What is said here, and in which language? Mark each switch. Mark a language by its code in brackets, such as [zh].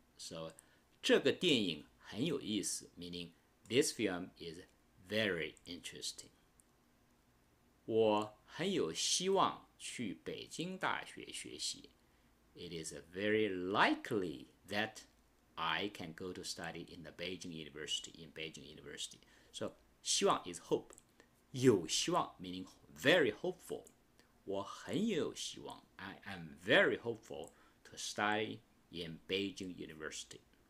[en] So, [zh] 这个电影很有意思 [en] meaning this film is very interesting. [zh] 我很有希望去北京大学学习。 [en] It is very likely that I can go to study in the Beijing University, in Beijing University. So, 希望 is hope. 有希望 meaning very hopeful. [zh] 我很有希望。 [en] I am very hopeful to study in Beijing University.